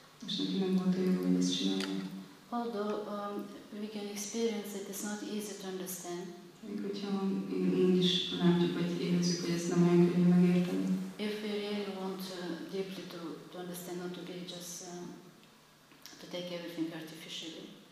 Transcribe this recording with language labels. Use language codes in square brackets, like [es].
[hu] És neki nem volt a jó, hogy ezt csinálja. [en] Although we can experience it, it's not easy to understand. [hu] Még hogyha úgy is látjuk, vagy érezzük, hogy ezt nem olyan könnyű megérteni. [en] If we really want deeply to understand, not to be just to take everything artificially.